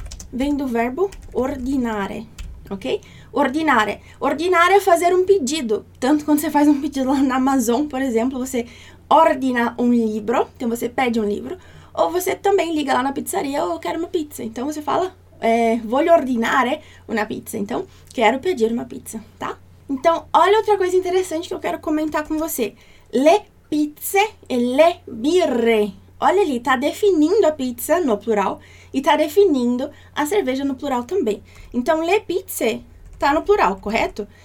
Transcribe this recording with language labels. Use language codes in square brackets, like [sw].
[pt] Vem do verbo ordinare, ok? Ordinare. Ordinare é fazer um pedido. Tanto quando você faz um pedido lá na Amazon, por exemplo, você ordina um livro, então você pede um livro. Ou você também liga lá na pizzaria, eu quero uma pizza. Então você fala. [it] Voglio ordinare una pizza. [pt] Então, quero pedir uma pizza, tá? Então, olha outra coisa interessante que eu quero comentar com você. [it] Le pizze e le birre. [pt] Olha ali, tá definindo a pizza no plural e tá definindo a cerveja no plural também. Então, le pizze tá no plural, correto?